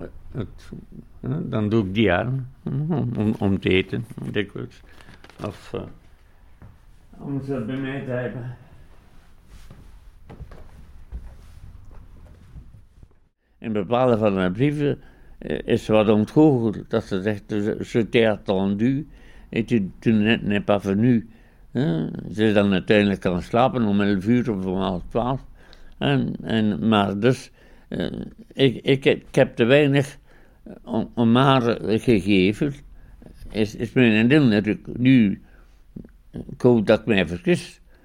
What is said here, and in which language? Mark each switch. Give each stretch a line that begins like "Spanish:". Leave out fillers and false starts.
Dutch: Het, dan doe ik die aan om te eten, dikwijls. Of om ze bij mij te hebben. In bepaalde van haar brieven is ze wat ontgoocheld. Dat ze zegt,
French: je t'ai attendu, et tu n'es pas venu.
Dutch: Ze is dan uiteindelijk gaan slapen om 11 uur of om 12. En maar dus... Ik heb te weinig om haar gegeven. Is mijn vriendin natuurlijk nu... Ik hoop dat ik mij vergis.